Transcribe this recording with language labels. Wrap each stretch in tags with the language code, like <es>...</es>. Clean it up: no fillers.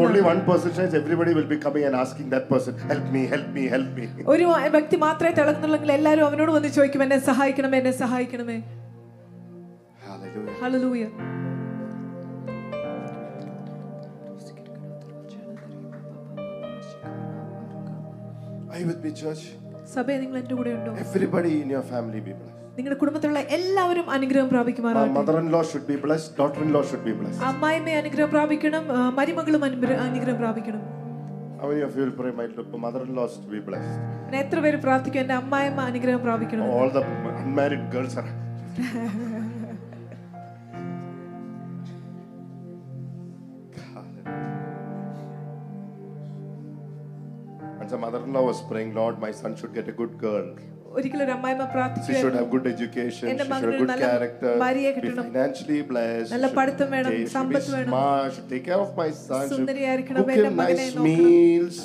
<en>Only one person shines, everybody will be coming and asking that person, help me, help me, help me.</en> <ml>ഒരു വ്യക്തി മാത്രമേ തിളങ്ങുന്നുള്ളെങ്കിൽ എല്ലാവരും അവനോട് വന്ന് ചോദിക്കും, എന്നെ സഹായിക്കണമേ, എന്നെ സഹായിക്കണമേ.</ml> <en>Hallelujah. Hallelujah. Are you with me, church?</en> <ml>സഭയെ നിങ്ങൾ എന്റെ കൂടെ ഉണ്ടോ?</ml> <en>Everybody in your family be blessed.</en> <ml>നിങ്ങളുടെ കുടുംബത്തിലുള്ള എല്ലാവരും അനുഗ്രഹം പ്രാപിക്കുമാറാകട്ടെ. അമ്മായിമേ അനുഗ്രഹം പ്രാപിക്കണം, മരുമകളും അനുഗ്രഹം പ്രാപിക്കണം.</ml> <en>How many of you will pray, my mother-in-law should be blessed.</en> <ml>ഞാൻ എത്ര പേര് പ്രാർത്ഥിക്കും എന്റെ അമ്മായിമ അനുഗ്രഹം പ്രാപിക്കണം.</ml> <en>All the unmarried girls are And the mother-in-law was praying, Lord, my son should get a good girl. She should have good education, she should have good character, be financially blessed, she should be smart, should take care of my son, should cook him nice meals,</en>